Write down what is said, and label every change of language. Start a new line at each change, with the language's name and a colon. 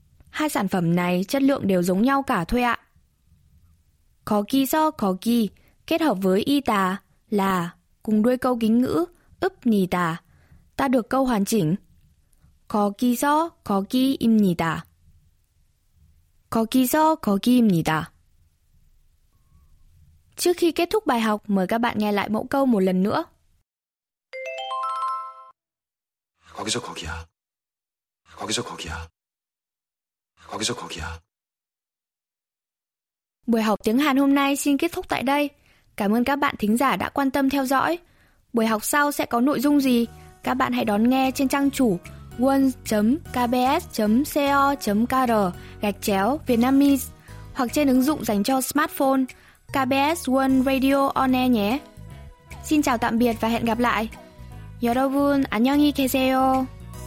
Vietnamese: Hai sản phẩm này chất lượng đều giống nhau cả thôi ạ. 거기서 거기 kết hợp với 있다 là cùng đuôi câu kính ngữ 읍니다, ta được câu hoàn chỉnh
Korean: 거기서 거기입니다. 거기서 거기입니다.
Vietnamese: Trước khi kết thúc bài học, mời các bạn nghe lại mẫu câu một lần nữa.
Korean: 거기서 거기야. 거기서 거기야. 거기서 거기야.
Vietnamese: Buổi học tiếng Hàn hôm nay xin kết thúc tại đây. Cảm ơn các bạn thính giả đã quan tâm theo dõi. Buổi học sau sẽ có nội dung gì? Các bạn hãy đón nghe trên trang chủ world.kbs.co.kr/vietnamese hoặc trên ứng dụng dành cho smartphone KBS World Radio On Air nhé. Xin chào tạm biệt và hẹn gặp lại.
Korean: 여러분, 안녕히 계세요.